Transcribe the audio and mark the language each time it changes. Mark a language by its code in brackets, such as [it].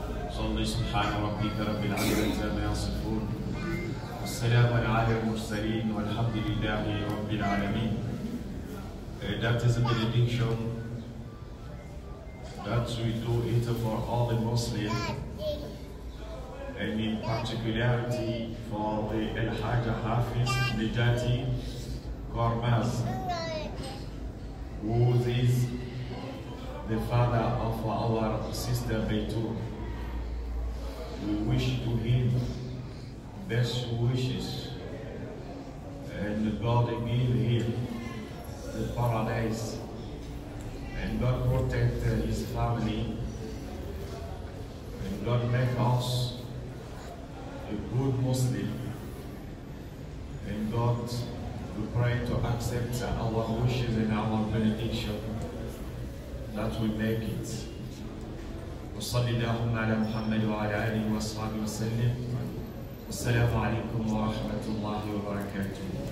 [ar] صلى سبحان ربيك رب العزة عما يصفون. والسلام على المرسلين والحمد لله رب العالمين. [en] That is a benediction that we do it for all the Muslims. And in particularity for the El Hajj Hafiz Nejati Gormaz, who is the father of our sister Beitur. We wish to him best wishes and God give him the paradise and God protect his family and God make us a good Muslim, and God, we pray to accept our wishes and our benediction that we make it. [ar] وصلى الله على محمد وعلى آله وصحبه وسلم. والسلام عليكم ورحمة الله وبركاته.